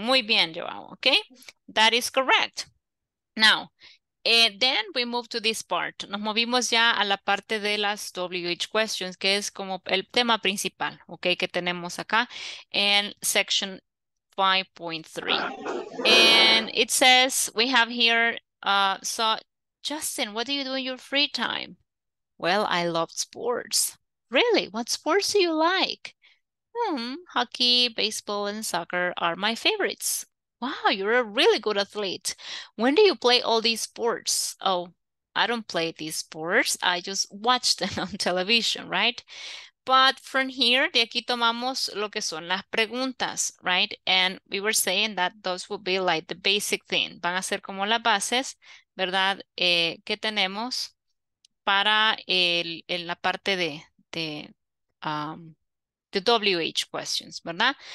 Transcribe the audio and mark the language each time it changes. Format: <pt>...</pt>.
<es>Muy bien,</es> <en>Joao, okay? That is correct. Now, then we move to this part.</en> <es>Nos movimos ya a la parte de las WH questions, que es como el tema principal, okay, que tenemos acá en section 5.3.</es> <en>And it says, we have here, so Justin, what do you do in your free time? Well, I love sports. Really? What sports do you like? Hockey, baseball, and soccer are my favorites. Wow, you're a really good athlete. When do you play all these sports? Oh, I don't play these sports. I just watch them on television, right? But from here,</en> <es>de aquí tomamos lo que son las preguntas,</es> <en>right? And we were saying that those would be like the basic thing.</en> <es>Van a ser como las bases, ¿verdad? ¿Qué tenemos para en la parte de WH questions, ¿verdad?</es>